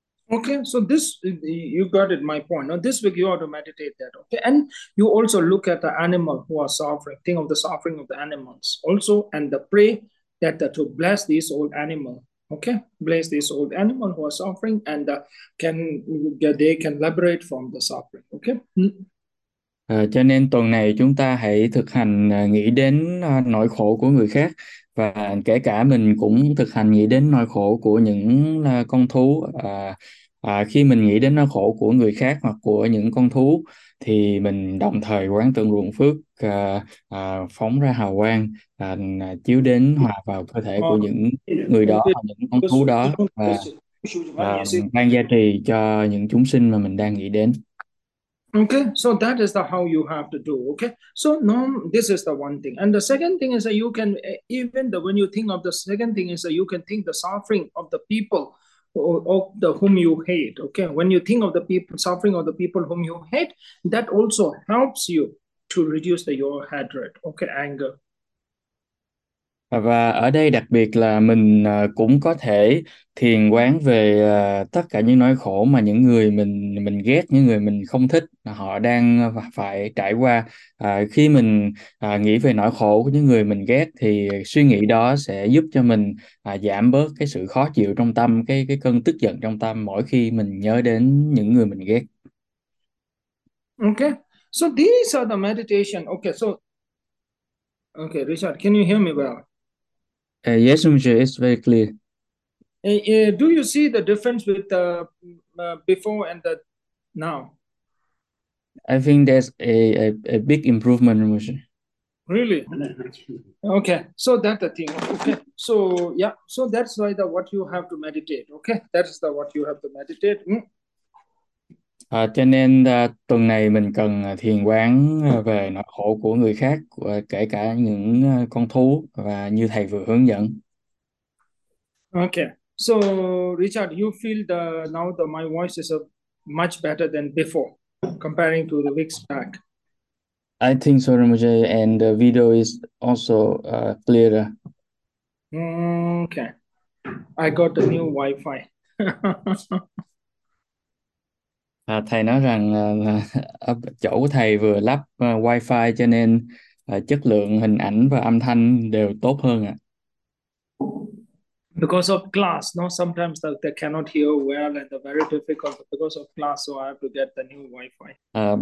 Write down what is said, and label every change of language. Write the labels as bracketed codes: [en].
[en] Okay, so this you got it, my point. Now this week you ought to meditate that. Okay, and you also look at the animal who are suffering. Think of the suffering of the animals also, and the pray that to bless this old animal. Okay, bless this old animal who are suffering, and can they can liberate from the suffering. Okay. [vi] Cho nên tuần này chúng ta hãy thực hành nghĩ đến nỗi khổ của người khác, và kể cả mình cũng thực hành nghĩ đến nỗi khổ của những con thú. Khi mình nghĩ đến nỗi khổ của người khác hoặc của những con thú thì mình đồng thời quán tưởng ruộng phước phóng ra hào quang chiếu đến hòa vào cơ thể của những người đó hoặc những con thú đó, và ban gia trì cho những chúng sinh mà mình đang nghĩ đến. [en] Okay, so that is the how you have to do. Okay, so now this is the one thing, and the second thing is that you can even the when you think of the second thing is that you can think the suffering of the people of the whom you hate. Okay, when you think of the people suffering of the people whom you hate, that also helps you to reduce the your hatred. Okay, anger. [vi] Và ở đây đặc biệt là mình cũng có thể thiền quán về tất cả những nỗi khổ mà những người mình ghét, những người mình không thích họ đang phải trải qua. Khi mình nghĩ về nỗi khổ của những người mình ghét thì suy nghĩ đó sẽ giúp cho mình giảm bớt cái sự khó chịu trong tâm, cái cơn tức giận trong tâm mỗi khi mình nhớ đến những người mình ghét. [en] Okay, so these are the meditation. Okay, Richard, can you hear me well? Yes, monsieur, it's very clear. Do you see the difference with the before and the now? I think there's a big improvement, monsieur. Really? Okay, so that's the thing. Okay, so yeah, so that's why the what you have to meditate. Okay, that's the what you have to meditate. [vi] Cho nên tuần này mình cần thiền quán về nỗi khổ của người khác, kể cả những con thú, và như thầy vừa hướng dẫn. [en] Okay, so Richard, you feel the now the my voice is a much better than before, comparing to the weeks back. I think so, Ramajay, and the video is also clearer. Okay, I got a new Wi-Fi. [vi] Thầy nói rằng chỗ của thầy vừa lắp wifi cho nên chất lượng hình ảnh và âm thanh đều tốt hơn ạ. [en] Because of class, no, sometimes they cannot hear well and they're very difficult because of class, so I have to get the new Wi-Fi.